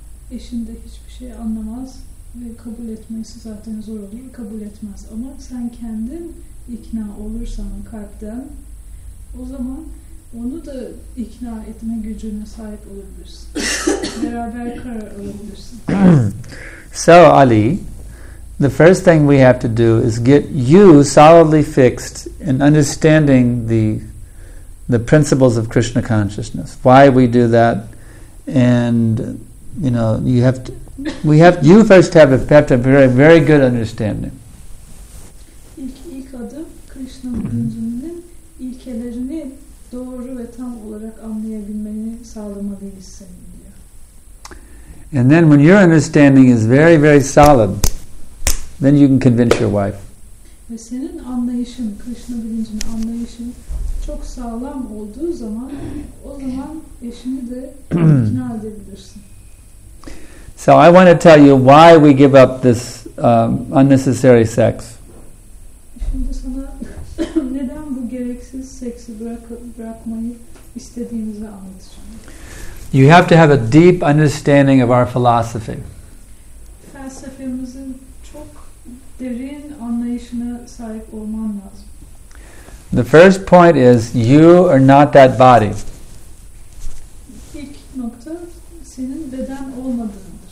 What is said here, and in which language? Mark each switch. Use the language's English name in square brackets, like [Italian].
[Turkish] Eşin de hiçbir şey anlamaz ve kabul etmesi zaten zor olur, kabul etmez. Ama sen kendin ikna olursan kalpten, o zaman onu da ikna etme gücüne sahip olabilirsin. Beraber karar alabilirsin. [English] So Ali, the first thing we have to do is get you solidly fixed in understanding the principles of Krishna consciousness. Why we do that and you know, you first have to have a very, very good understanding. [Turkish] İlk adım Krishna'nın düzeninin ilkelerini doğru ve tam olarak anlayabilmeni sağlamalısın diyor. [English] And then when your understanding is very, very solid, then you can convince your wife. [Turkish] Ve senin anlayışın, Krishna bilincinin anlayışın çok sağlam olduğu zaman, o zaman eşini de ikna edebilirsin. [English] So I want to tell you why we give up this unnecessary sex. [Turkish] Şimdi sana neden bu gereksiz seksi bırakmayı istediğimizi anlatacağım. [English] You have to have a deep understanding of our philosophy. [Turkish] Felsefemizin çok derin anlayışına sahip olman lazım. [English] The first point is you are not that body. [Turkish] İlk nokta senin beden olmadığın.